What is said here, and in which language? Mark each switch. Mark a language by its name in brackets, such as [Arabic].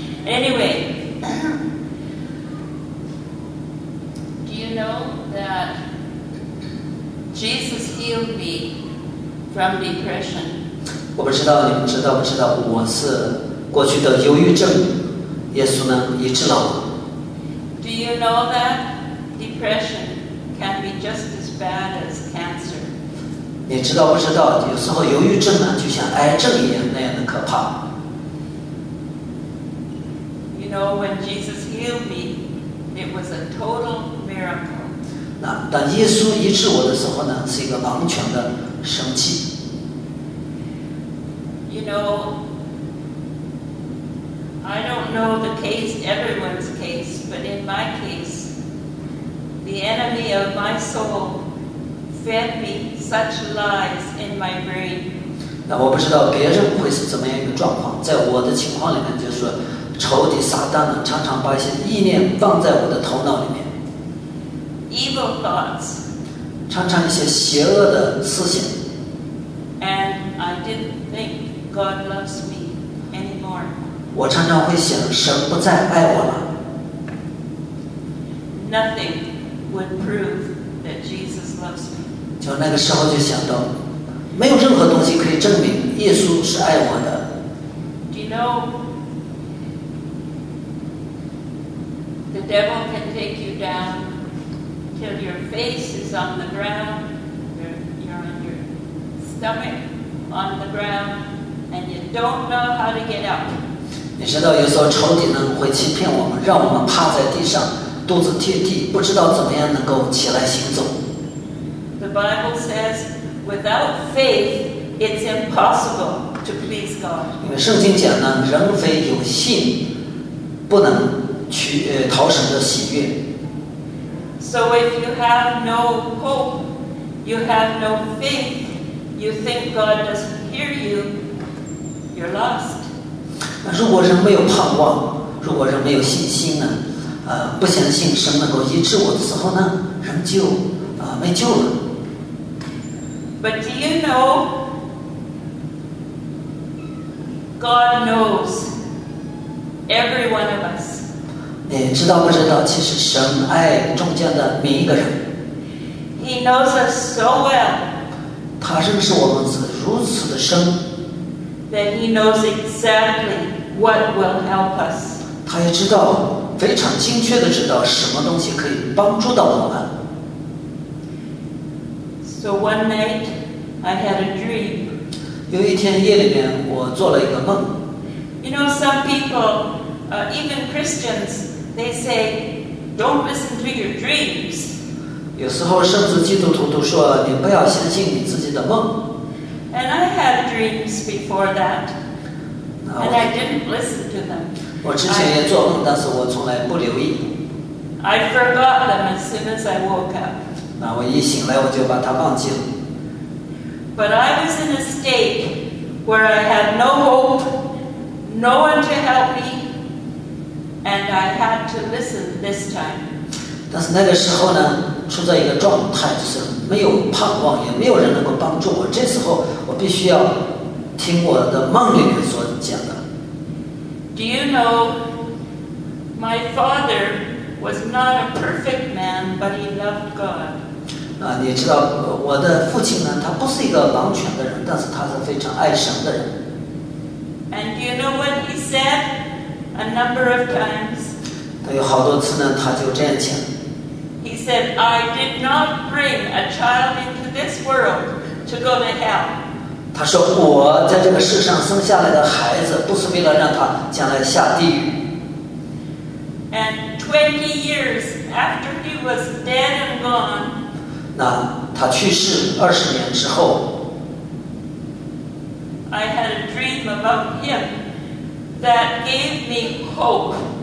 [English] Anyway, do you know that Jesus healed me from depression? [Chinese] 我不知道你们知道不知道，我是过去的忧郁症，耶稣呢医治了我。 [English] Do you know that depression can be just as bad as cancer? [Chinese] 你知道不知道，有时候忧郁症呢，就像癌症一样那样的可怕。 [English] You know, when Jesus healed me, it was a total miracle. [Chinese] 那当耶稣医治我的时候呢，是一个完全的神迹。 [English] You know, I don't know the case, everyone's case, but in my case,The enemy of my soul fed me such lies in my brain. [Chinese] 那我不知道别人会是怎么样一个状况，在我的情况里面，就是仇敌撒旦呢，常常把一些意念放在我的头脑里面。 [English] Evil thoughts. [Chinese] 常常一些邪恶的思想。 [English] And I didn't think God loves me anymore. [Chinese] 我常常会想，神不再爱我了。 [English] Nothing. Would prove that Jesus loves me. [Chinese] 就那个时候就想到，没有任何东西可以证明耶稣是爱我的。 [English] Do you know the devil can take you down till your face is on the ground, you're on your stomach on the ground, and you don't know how to get up. [Chinese] 你知道有时候仇敌呢会欺骗我们，让我们趴在地上。肚子贴地，不知道怎么样能够起来行走。 [English] The Bible says, without faith, it's impossible to please God. [Chinese] 因为圣经讲呢，人非有信，不能去讨神的喜悦。 [English] So if you have no hope, you have no faith, you think God doesn't hear you, you're lost. [Chinese] 那如果人没有盼望，如果人没有信心呢？不相信神能够医治我的时候呢，人就没救了。 [English] But do you know God knows every one of us. [Chinese] 你知道不知道？其实神爱中间的每一个人。 [English] He knows us so well. [Chinese] 他认识我们是如此的深。 [English] That he knows exactly what will help us. [Chinese] 他也知道，非常精确的知道什么东西可以帮助到我们。 [English] So one night, I had a dream. [Chinese] 有一天夜里面，我做了一个梦。 [English] You know, some people, even Christians, they say, "Don't listen to your dreams." [Chinese] 有时候，甚至基督徒都说，你不要相信你自己的梦。 [English] And I had dreams before that, and I didn't listen to them. [Chinese] 我之前也做梦，但是我从来不留意。 [English] I forgot them as soon as I woke up. [Chinese] 那我一醒来，我就把它忘记了。 [English] But I was in a state where I had no hope, no one to help me, and I had to listen this time. [Chinese] 但是那个时候呢，处在一个状态，就是没有盼望，也没有人能够帮助我。这时候，我必须要听我的梦里面所讲的。 [English] Do you know, my father was not a perfect man, but he loved God. [Chinese] 啊，你知道我的父亲呢？他不是一个完全的人，但是他是非常爱神的人。 [English] And do you know what he said a number of times? [Chinese] 他有好多次呢，他就这样讲。 [English] He said, "I did not bring a child into this world to go to hell." [Chinese] 他说我在这个世上生下来的孩子不是为了让他将来下地狱。 [English] And 20 years after he was dead and gone. [Chinese] 那他去世20年之后。 [English] I had a dream about him that gave me hope.